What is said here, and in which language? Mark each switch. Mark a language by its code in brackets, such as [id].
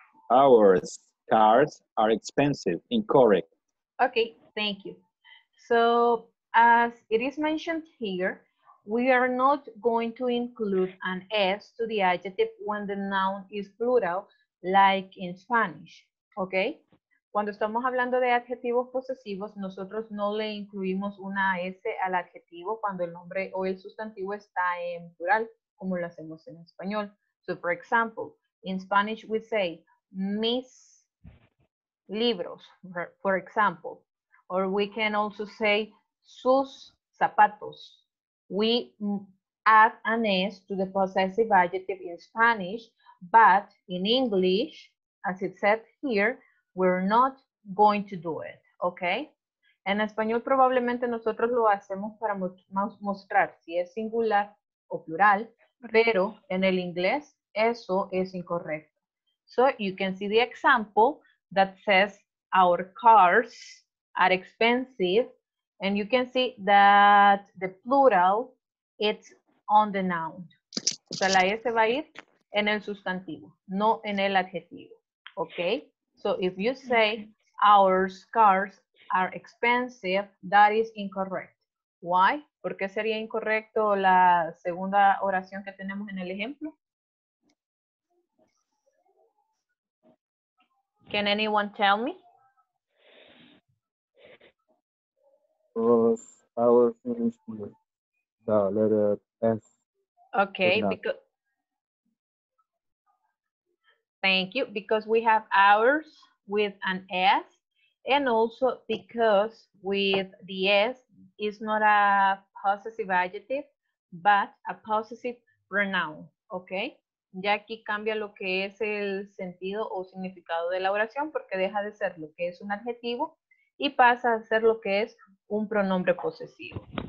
[en] Our cars are expensive. Incorrect. Okay, thank you. So, as it is mentioned here, we are not going to include an S to the adjective when the noun is plural, like in Spanish, okay? [es] Cuando estamos hablando de adjetivos posesivos, nosotros no le incluimos una S al adjetivo cuando el nombre o el sustantivo está en plural, como lo hacemos en español. [en] So, for example, in Spanish we say, mis libros, for example. Or we can also say, sus zapatos. We add an S to the possessive adjective in Spanish, but in English, as it said here, we're not going to do it, okay? [es] En español probablemente nosotros lo hacemos para mostrar si es singular o plural, pero en el inglés eso es incorrecto. [en] So you can see the example that says our cars are expensive, and you can see that the plural, it's on the noun. [es] O sea, la S va a ir en el sustantivo, no en el adjetivo, okay? [en] So if you say our cars are expensive, that is incorrect. Why? [es] ¿Por qué sería incorrecto la segunda oración que tenemos en el ejemplo? [en] Can anyone tell me? Our English word, the letter S. Okay, because thank you. Because we have ours with an S, and also because with the S is not a possessive adjective, but a possessive pronoun. [es] Okay, ya aquí cambia lo que es el sentido o significado de la oración, porque deja de ser lo que es un adjetivo y pasa a ser lo que es un pronombre posesivo.